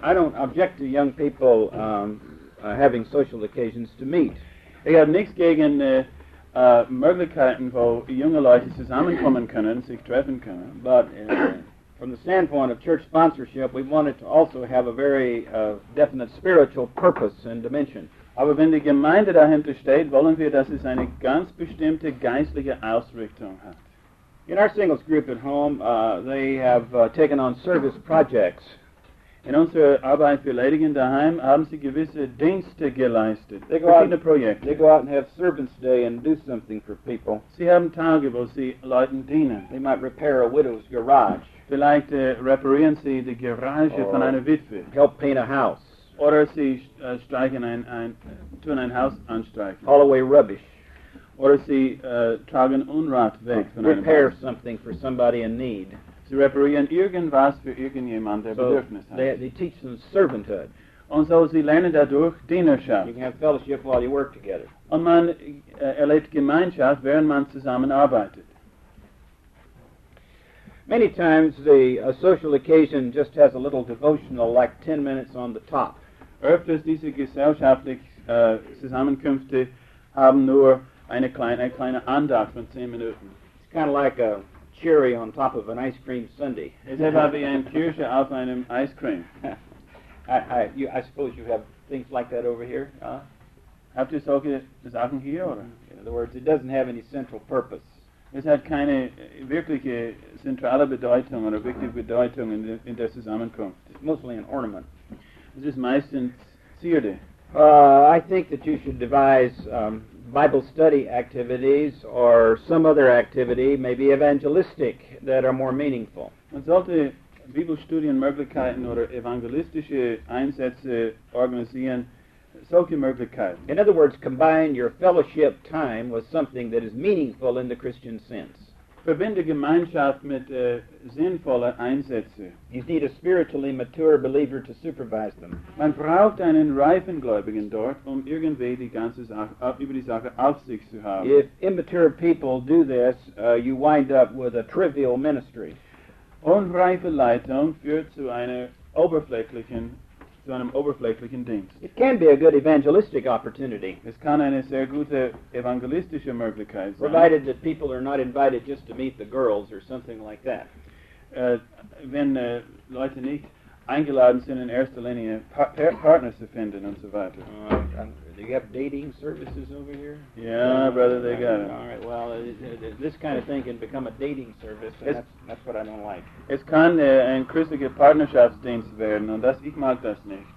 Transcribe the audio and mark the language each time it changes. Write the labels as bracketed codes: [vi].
[en] I don't object to young people having social occasions to meet. [de] Ich habe nichts gegen Möglichkeiten, wo junge Leute zusammenkommen können, sich treffen können. [en] But from the standpoint of church sponsorship, we wanted to also have a very definite spiritual purpose and dimension. [de] Aber wenn die Gemeinde dahinter steht, wollen wir, dass es eine ganz bestimmte geistliche Ausrichtung hat. [en] In our singles group at home, they have taken on service projects. [de] In unserer Arbeit für Ledigen daheim haben sie gewisse Dienste geleistet. [en] They go out in a project. They go out and have servants day and do something for people. [de] Sie haben Tage, wo sie Leuten dienen. [en] They might repair a widow's garage. [de] Vielleicht reparieren sie die Garage [en] or [de] von einer Witwe. [en] Help paint a house. [de] Oder sie streichen ein Haus anstreichen. [en] All away rubbish. [de] Oder sie tragen Unrat weg. Von [en] Repair [de] einem [en] something for somebody in need. [de] Sie reparieren irgendwas für irgendjemand, der so Bedürfnis hat. [en] They teach them servanthood. [de] Und so sie lernen dadurch Dienerschaft. [en] You can have fellowship while you work together. [de] Und man erlebt Gemeinschaft, während man zusammen arbeitet. [en] Many times a social occasion just has a little devotional, like 10 minutes on the top. [de] Öfters diese gesellschaftlichen Zusammenkünfte haben nur eine kleine Andacht von 10 Minuten. [en] It's kind of like a cherry on top of an ice cream sundae. [de] Es ist wie ein Kirsche auf einem ice cream. [en] I suppose you have things like that over here. [de] Habt ihr solche Sachen hier? Oder? [en] In other words, it doesn't have any central purpose. [de] Es hat keine wirkliche zentrale Bedeutung oder wichtige Bedeutung in der Zusammenkunft. [en] It's mostly an ornament. [de] Es ist meistens Zierde. [en] I think that you should devise Bible study activities or some other activity, maybe evangelistic, that are more meaningful. [de] Man sollte Bibelstudienmöglichkeiten oder evangelistische Einsätze organisieren, solche Möglichkeiten. [en] In other words, combine your fellowship time with something that is meaningful in the Christian sense. [de] Verbinde Gemeinschaft mit sinnvollen Einsätzen. [en] You need a spiritually mature believer to supervise them. [de] Man braucht einen reifen Gläubigen dort, um irgendwie die ganze Sache, über die Sache Aufsicht zu haben. [en] If immature people do this, you wind up with a trivial ministry. [de] Unreife Leitung führt zu einer oberflächlichen Dienst. [en] It can be a good evangelistic opportunity. [de] Es kann eine sehr gute evangelistische Möglichkeit sein. [en] Provided that people are not invited just to meet the girls or something like that. [de] Wenn Leute nicht eingeladen sind, in erster Linie Partner zu finden und so weiter. [en] Do you have dating services over here? Yeah, brother, they got it. All right, well, this kind of thing can become a dating service, and that's what I don't like. [de] Es kann ein christlicher Partnerschaftsdienst werden, und das, ich mag das nicht.